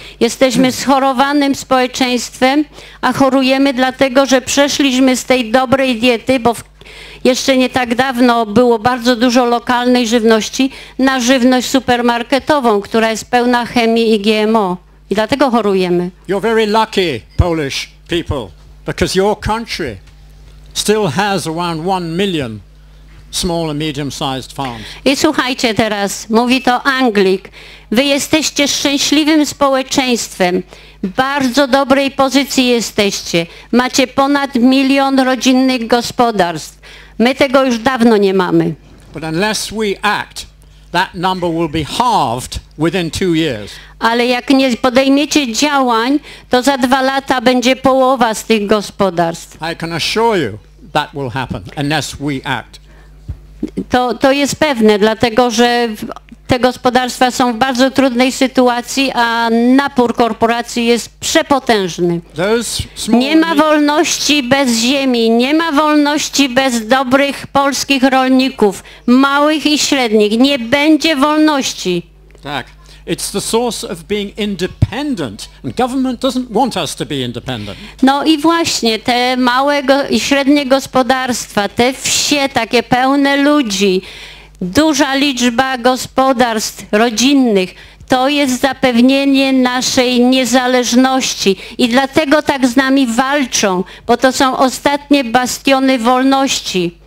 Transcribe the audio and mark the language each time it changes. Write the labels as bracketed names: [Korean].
[Polish] Jesteśmy schorowanym społeczeństwem, a chorujemy dlatego, że przeszliśmy z tej dobrej diety, bo jeszcze nie tak dawno było bardzo dużo lokalnej żywności, na żywność supermarketową, która jest pełna chemii i GMO. I dlatego chorujemy. [English] You're very lucky, Polish people. Because your country still has around 1 million small and medium-sized farms. [Polish] I słuchajcie teraz, mówi to Anglik. Wy jesteście szczęśliwym społeczeństwem. Bardzo dobrej pozycji jesteście. Macie ponad 1 milion rodzinnych gospodarstw. My tego już dawno nie mamy. [English] But unless we act, that number will be halved within 2 years. [Polish] Ale jak nie podejmiecie działań, to za 2 lata będzie połowa z tych gospodarstw. [English] I can assure you that will happen unless we act. [Polish] To jest pewne, dlatego że te gospodarstwa są w bardzo trudnej sytuacji, a napór korporacji jest przepotężny. Nie ma wolności bez ziemi, nie ma wolności bez dobrych polskich rolników, małych i średnich. Nie będzie wolności. Tak. [English] It's the source of being independent, and government doesn't want us to be independent. [Polish] No i właśnie te małe i średnie gospodarstwa, te wsie takie pełne ludzi, duża liczba gospodarstw rodzinnych, to jest zapewnienie naszej niezależności i dlatego tak z nami walczą, bo to są ostatnie bastiony wolności.